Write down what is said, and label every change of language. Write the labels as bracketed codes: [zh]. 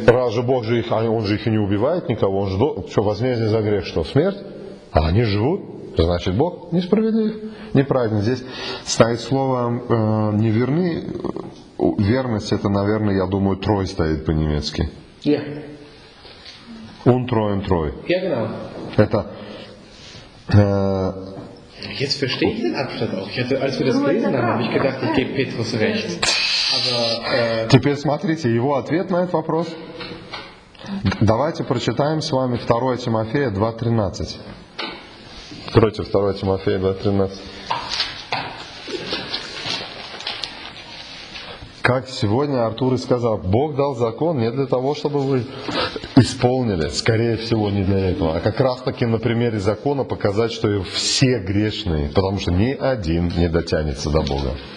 [ru] Раз же Бог же их, он же их и не убивает никого, он же, что, возмездие за грех, что, смерть? А они живут. Значит, Бог несправедлив, неправильно. Здесь стоит слово неверны. Верность, это, наверное, я думаю, трой стоит по-немецки. [en] Yeah. [de] Untreuen, трой. [ru] Я знаю. Это... [de] Jetzt verstehe ich den Abschnitt auch. Als wir das gelesen haben, habe ich gedacht, ich gebe Petrus recht. [ru] Теперь смотрите, его ответ на этот вопрос. Давайте прочитаем с вами 2 Тимофея 2.13. Против 2 Тимофея 2.13. Как сегодня Артур и сказал, Бог дал закон не для того, чтобы вы исполнили, скорее всего, не для этого, а как раз таки на примере закона показать, что все грешные, потому что ни один не дотянется до Бога.